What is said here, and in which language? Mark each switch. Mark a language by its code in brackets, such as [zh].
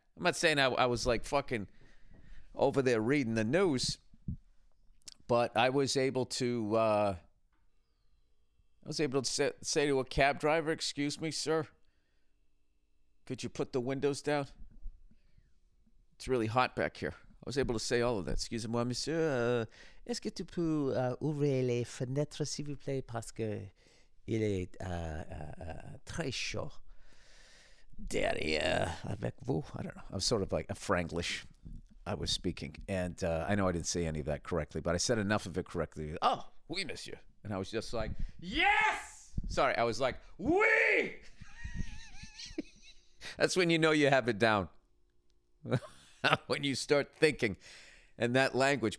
[en] I'm not saying I was like fucking over there reading the news, but I was able to, I was able to say to a cab driver, "Excuse me, sir, could you put the windows down? It's really hot back here." I was able to say all of that. [fr] "Excuse moi, monsieur, est-ce que tu peux ouvrir les fenêtres, s'il vous plaît, parce que il est très chaud derrière avec vous." [en] I don't know. I'm sort of like a Franglish. I was speaking, and I know I didn't say any of that correctly, but I said enough of it correctly. [fr] "Oh, oui, monsieur." [en] And I was just like, "Yes!" Sorry, I was like, "Oui!" That's when you know you have it down. When you start thinking in that language.